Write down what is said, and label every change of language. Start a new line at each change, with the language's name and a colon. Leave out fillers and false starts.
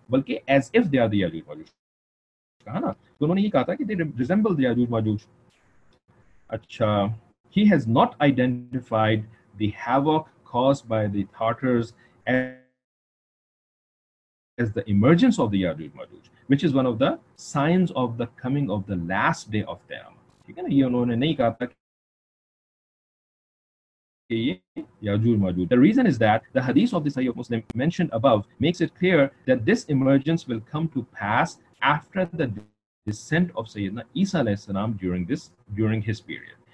English: بلکہ as if they are the Yajuj Majuj
Urdu: کہا نا، تو انہوں نے یہ کہا تھا کہ
English: they resemble the Yajuj Majuj. اچھا، he has not identified the havoc caused by the Tatars as the emergence of the Yajuj Majuj, which is one of the signs of the coming of the last day of them.
Urdu: ٹھیک ہے نا، یہ انہوں نے نہیں کہا تھا Yajuj Majuj.
English: The reason is that the hadith of the Sahih of Muslim mentioned above makes it clear that this emergence will come to pass after the descent of Sayyidina Isa alayhi salam during his period.